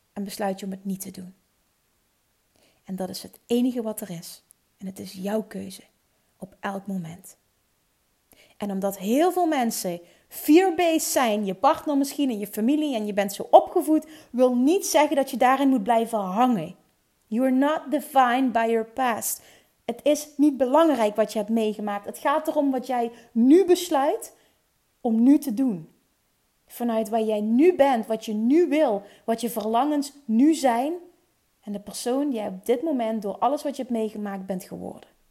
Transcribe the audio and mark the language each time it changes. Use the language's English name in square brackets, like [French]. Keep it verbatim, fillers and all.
[Dutch] En besluit je om het niet te doen. En dat is het enige wat er is. En het is jouw keuze. Op elk moment. En omdat heel veel mensen fear-based zijn, je partner misschien en je familie en je bent zo opgevoed, wil niet zeggen dat je daarin moet blijven hangen. [English] You are not defined by your past. [Dutch] Het is niet belangrijk wat je hebt meegemaakt. Het gaat erom wat jij nu besluit om nu te doen. Vanuit waar jij nu bent, wat je nu wil, wat je verlangens nu zijn. En de persoon die jij op dit moment door alles wat je hebt meegemaakt bent geworden.